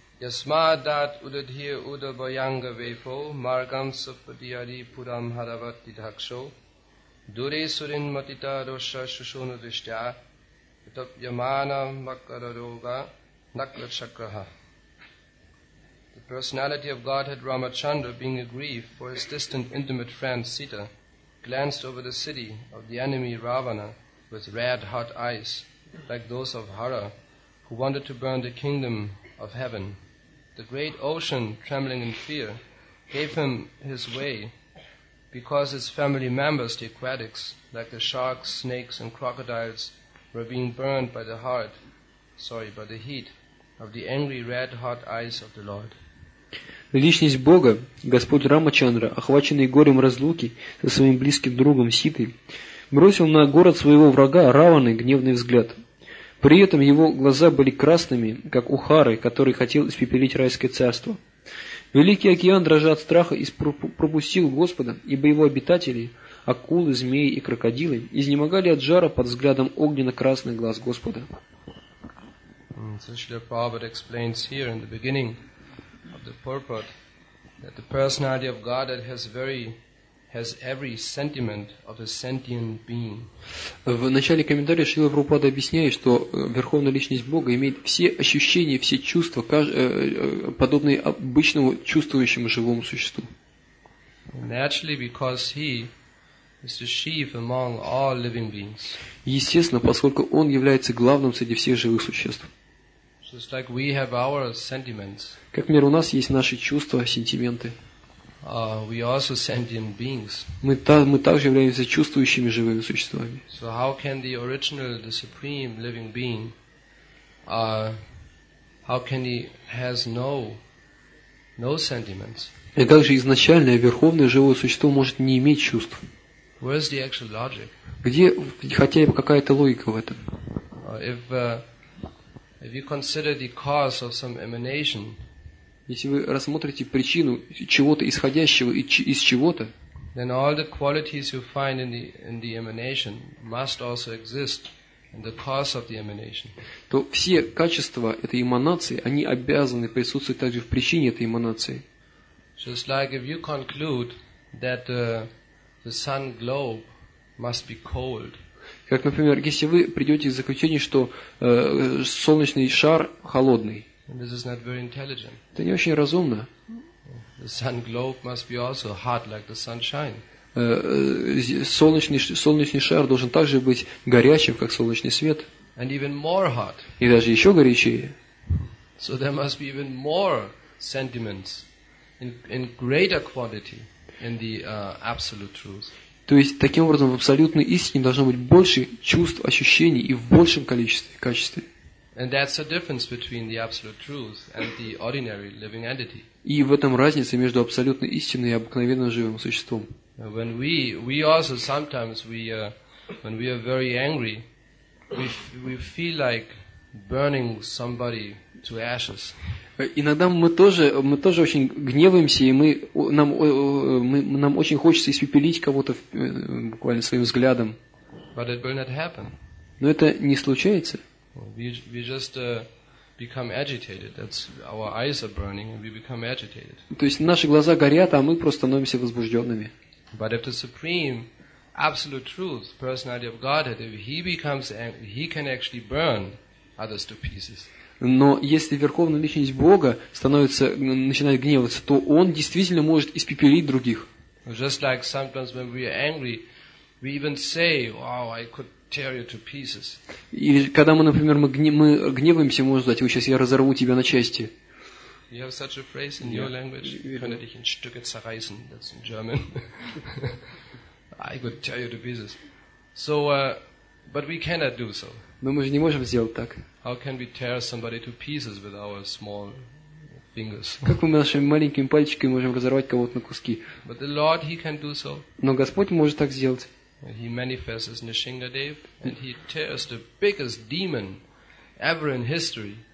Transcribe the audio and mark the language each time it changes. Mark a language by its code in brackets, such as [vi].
[sa] Ясма дат удадхи удабаянга вейпо, маргам саппадияри пурам харават дидхакшо. Дуре сурин матита роша шушуна дриштя, итап ямана маккара рога накра чакраха. [en] The personality of Godhead Ramachandra, being aggrieved for his distant intimate friend Sita, glanced over the city of the enemy Ravana with red hot eyes, like those of Hara, who wanted to burn the kingdom of heaven. The great ocean, trembling in fear, gave him his way, because its family members, the aquatics, like the sharks, snakes, and crocodiles, were being burned by the heat of the angry red hot eyes of the Lord. [ru] Личность Бога, Господь Рамачандра, охваченный горем разлуки со своим близким другом Ситой, бросил на город своего врага Раваны гневный взгляд. При этом его глаза были красными, как у Хары, который хотел испепелить райское царство. Великий океан, дрожа от страха, пропустил Господа, ибо его обитатели, акулы, змеи и крокодилы, изнемогали от жара под взглядом огненно-красных глаз Господа. [en] Srila Prabhupada explains here in the beginning of the purport that the personality of Godhead has every sentiment of a sentient being. [ru] В начале комментария Шрила Прабхупада объясняет, что Верховная Личность Бога имеет все ощущения, все чувства, подобные обычному чувствующему живому существу. [en] Naturally, because he is the chief among all living beings. [ru] Естественно, поскольку он является главным среди всех живых существ. [en] Just like we have our sentiments. [ru] Как мир, у нас есть наши чувства, сентименты. [en] We also sentient beings. [ru] Мы также являемся чувствующими живыми существами. [en] So how can the original, the supreme living being, how can he has no sentiments? [ru] И как же изначальное верховное живое существо может не иметь чувств? [en] Where is the actual logic? [ru] Где хотя бы какая-то логика в этом? [en] If you consider the cause of some emanation. [ru] Если вы рассмотрите причину чего-то исходящего из чего-то, [en] then all the qualities you find in the emanation must also exist in the cause of the emanation. [ru] То все качества этой эманации, они обязаны присутствовать также в причине этой эманации. [en] Just like if you conclude that the sun globe must be cold. [ru] Как, например, если вы придете к заключению, что солнечный шар холодный. [en] And this is not very intelligent. [ru] Это не очень разумно. [en] The sun globe must be also hot like the sunshine. [ru] Солнечный шар должен также быть горячим, как солнечный свет. [en] And even more hot. [ru] И даже еще горячее. [en] So there must be even more sentiments in greater quantity in the absolute truth. [ru] То есть таким образом в абсолютной истине должно быть больше чувств, ощущений и в большем количестве, качестве. [en] And that's the difference between the absolute truth and the ordinary living entity. [ru] И в этом разница между абсолютной истиной и обыкновенным живым существом. [en] When we also sometimes when we are very angry, we feel like burning somebody to ashes. [ru] Иногда мы тоже очень гневаемся, и нам очень хочется испепелить кого-то буквально своим взглядом. [en] But it will not happen. [ru] Но это не случается. [en] We just become agitated. That's our eyes are burning, and we become agitated. [ru] То есть наши глаза горят, а мы просто становимся возбужденными. [en] But if the supreme, absolute truth, personality of Godhead, if he becomes angry, he can actually burn others to pieces. [ru] Но если Верховная Личность Бога начинает гневаться, то Он действительно может испепелить других. [en] Just like sometimes when we are angry, we even say, "Wow, I could tear you to pieces." [ru] И когда мы, например, мы гневаемся, мы можем сказать, "Вот сейчас я разорву тебя на части." [en] You have such a phrase in your language? [de] Könnte dich in Stücke zerreißen. [en] That's in German. I could tear you to pieces. So, but we cannot do so. [ru] Но мы же не можем сделать так. [en] How can we tear somebody to pieces with our small fingers? [ru] Как мы нашими маленькими пальчиками можем разорвать кого-то на куски? [en] But the Lord, he can do so. [ru] Но Господь может так сделать. [en] He manifests as Nrisingadev, and he tears the biggest demon ever in history.